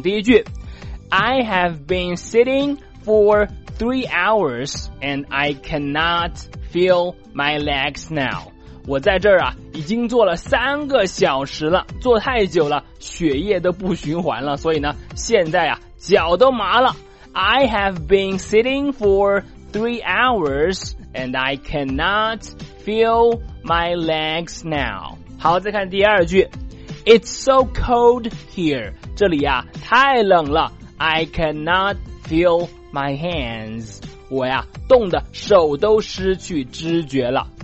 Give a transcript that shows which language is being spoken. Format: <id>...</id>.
<zh>第一句，</zh> <en>I have been sitting for 3 hours and I cannot feel my legs now。</en> <zh>我在这儿啊已经坐了3个小时了，坐太久了血液都不循环了，所以呢现在啊脚都麻了。</zh> <en>I have been sitting for 3 hours and I cannot feel my legs now。</en> <zh>好，再看第二句，</zh> <en>It's so cold here，</en> <zh>这里啊太冷了。</zh> <en>I cannot feel my hands，</en> <zh>我呀冻得手都失去知觉了。</zh>